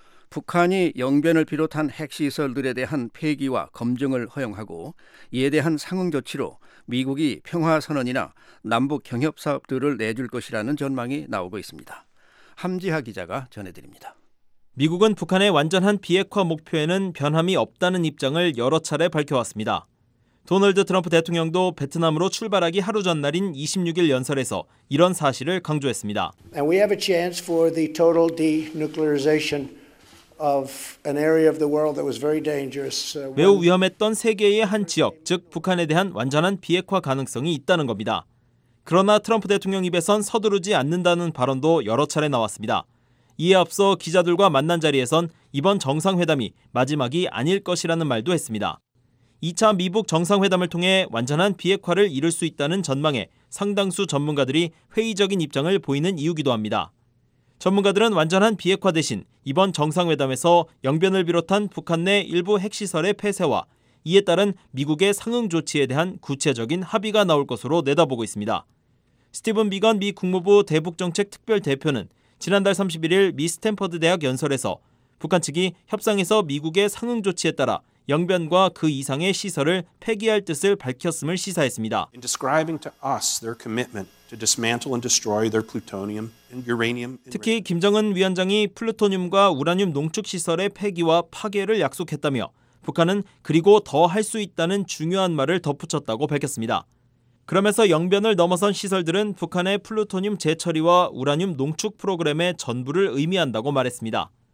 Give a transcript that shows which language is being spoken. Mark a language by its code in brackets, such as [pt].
[ko] 북한이 영변을 비롯한 핵시설들에 대한 폐기와 검증을 허용하고 이에 대한 상응 조치로 미국이 평화선언이나 남북경협사업들을 내줄 것이라는 전망이 나오고 있습니다. 함지하 기자가 전해드립니다. 미국은 북한의 완전한 비핵화 목표에는 변함이 없다는 입장을 여러 차례 밝혀왔습니다. 도널드 트럼프 대통령도 베트남으로 출발하기 하루 전날인 26일 연설에서 이런 사실을 강조했습니다. [en] And we have a chance for the total denuclearization of an area of the world that was very dangerous. [ko] 매우 위험했던 세계의 한 지역, 즉 북한에 대한 완전한 비핵화 가능성이 있다는 겁니다. 그러나 트럼프 대통령 입에선 서두르지 않는다는 발언도 여러 차례 나왔습니다. 이에 앞서 기자들과 만난 자리에선 이번 정상회담이 마지막이 아닐 것이라는 말도 했습니다. 2차 미북 정상회담을 통해 완전한 비핵화를 이룰 수 있다는 전망에 상당수 전문가들이 회의적인 입장을 보이는 이유기도 합니다. 전문가들은 완전한 비핵화 대신 이번 정상회담에서 영변을 비롯한 북한 내 일부 핵시설의 폐쇄와 이에 따른 미국의 상응 조치에 대한 구체적인 합의가 나올 것으로 내다보고 있습니다. 스티븐 비건 미 국무부 대북정책특별대표는 지난달 31일 미 스탠퍼드 대학 연설에서 북한 측이 협상에서 미국의 상응 조치에 따라 영변과 그 이상의 시설을 폐기할 뜻을 밝혔음을 시사했습니다. [en] In describing to us their commitment to dismantle and destroy their plutonium and uranium. [ko] 특히 김정은 위원장이 플루토늄과 우라늄 농축 시설의 폐기와 파괴를 약속했다며 북한은 그리고 더 할 수 있다는 중요한 말을 덧붙였다고 밝혔습니다. 그러면서 영변을 넘어선 시설들은 북한의 플루토늄 재처리와 우라늄 농축 프로그램의 전부를 의미한다고 말했습니다.